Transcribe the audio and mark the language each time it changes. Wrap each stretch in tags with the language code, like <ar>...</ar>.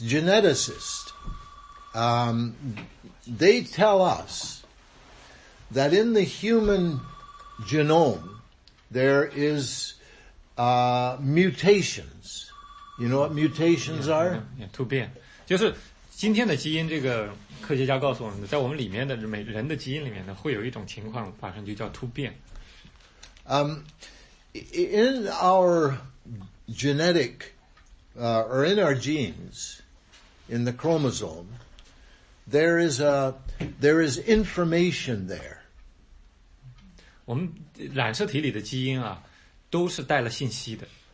<en>Geneticists, they tell us that in the human genome there is mutations. You know what mutations are?</en> <zh>Yeah, 突变。就是今天的基因，这个科学家告诉我们的，在我们里面的每人的基因里面呢，会有一种情况发生，就叫突变。</zh> <en>In our genetic, or in our genes, in the chromosome, there is information there.</en> <zh>我们染色体里的基因啊，都是带了信息的。</zh>